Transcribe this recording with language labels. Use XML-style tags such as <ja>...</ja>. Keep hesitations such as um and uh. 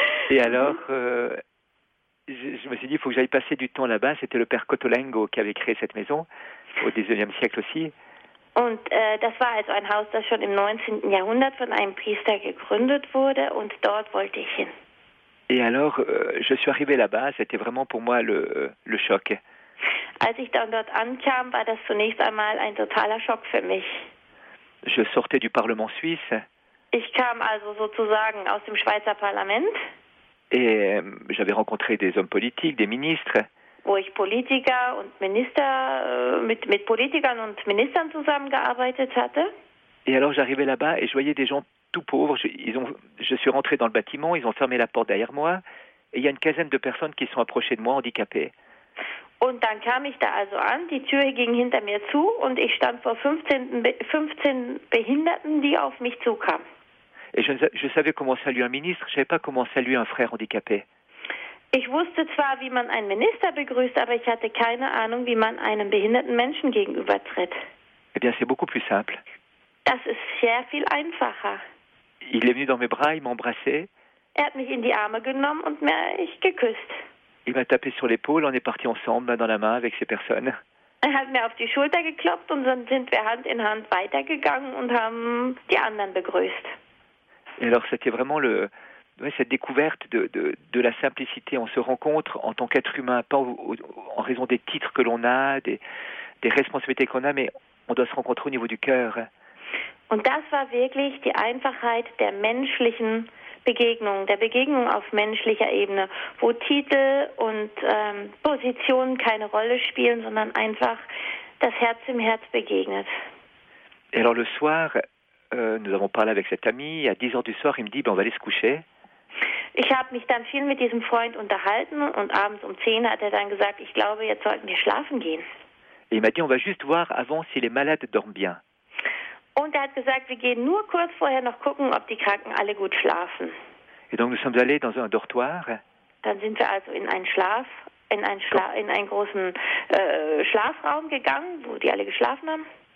<fr>Et alors, euh, je, je, me suis dit, il faut que j'aille passer du temps là-bas. C'était le père Cotolengo qui avait créé cette maison, au XIXe siècle aussi.</fr> <de>Und äh, das war also ein Haus, das schon im 19. Jahrhundert von einem Priester gegründet wurde und dort wollte ich hin.</de> <fr>Et alors, euh, je suis arrivé là-bas, c'était vraiment pour moi le, le choc.</fr> <de>Als ich dann dort ankam, war das zunächst einmal ein totaler Schock für mich.</de> <fr>Je sortais du Parlement suisse.</fr> <de>Ich kam also sozusagen aus dem Schweizer Parlament.</de> <fr>Et euh, j'avais rencontré des hommes politiques, des ministres.</fr> <de>wo ich Politiker und Minister mit mit Politikern und Ministern zusammengearbeitet hatte.</de> <fr>Et alors j'arrivais là-bas et je voyais des gens tout pauvres. Je, ils ont, je suis rentré dans le bâtiment, ils ont fermé la porte derrière moi et il y a une quinzaine de personnes qui sont approchées de moi handicapées.</fr> <de>Und dann kam ich da also an, die Tür ging hinter mir zu und ich stand vor 15, 15 Behinderten, die auf mich zukamen.</de> <fr>Et je, je savais comment saluer un ministre, je savais pas comment saluer un frère handicapé.</fr> <de>Ich wusste zwar, wie man einen Minister begrüßt, aber ich hatte keine Ahnung, wie man einem behinderten Menschen gegenübertritt.</de> <fr>Eh bien, c'est beaucoup plus simple.</fr> <de>Das ist sehr viel einfacher.</de> <fr>Il est venu dans mes bras, il m'a embrassé.</fr> <de>Er hat mich in die Arme genommen und mich geküsst.</de> <fr>Il m'a tapé sur l'épaule, on est parti ensemble, main dans la main, avec ces personnes.</fr> <de>Er hat mir auf die Schulter geklopft und dann sind wir Hand in Hand weitergegangen und haben die anderen begrüßt.</de> <fr>Et alors, c'était vraiment le, Oui, cette découverte de, de, de, la simplicité. On se rencontre en tant qu'être humain, pas au, au, en raison des titres que l'on a, des, des responsabilités qu'on a, mais on doit se rencontrer au niveau du cœur.</fr> <de>Und das war wirklich die Einfachheit der menschlichen Begegnung, der Begegnung auf menschlicher Ebene, wo Titel und ähm, Positionen keine Rolle spielen, sondern einfach das Herz im Herz begegnet.</de> <fr>Et alors le soir, euh, nous avons parlé avec cet ami, à 10 heures du soir, il me dit, ben, on va aller se coucher.</fr> <de>Ich habe mich dann viel mit diesem Freund unterhalten und abends um 10 hat er dann gesagt, ich glaube, jetzt sollten wir schlafen gehen.</de> <fr>Et il m'a dit, on va juste voir avant si les malades dorment bien.</fr> <de>Und er hat gesagt, wir gehen nur kurz vorher noch gucken, ob die Kranken alle gut schlafen.</de> <fr>Et donc nous sommes allés dans un dortoir.</fr> <de>Dann sind wir also in einen Schlaf, in einen, Schla in einen großen äh, Schlafraum gegangen, wo die alle geschlafen haben.</de>